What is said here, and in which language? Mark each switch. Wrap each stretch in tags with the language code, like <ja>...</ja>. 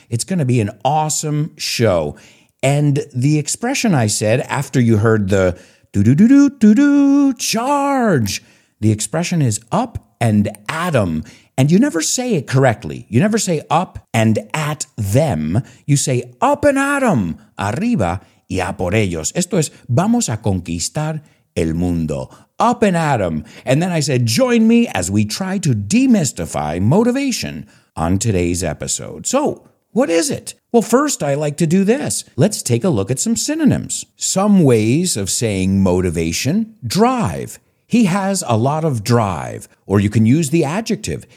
<en>It's going to be an awesome show. And the expression I said after you heard the do-do-do-do-do-do charge, the expression is up and at 'em. And you never say it correctly. You never say up and at them. You say up and at 'em,</en> <es>arriba y a por ellos. Esto es, vamos a conquistar el mundo.</es> <en>Up and at 'em. And then I said, join me as we try to demystify motivation on today's episode. So, what is it? Well, first, I like to do this. Let's take a look at some synonyms. Some ways of saying motivation. Drive. He has a lot of drive. Or you can use the adjective.</en>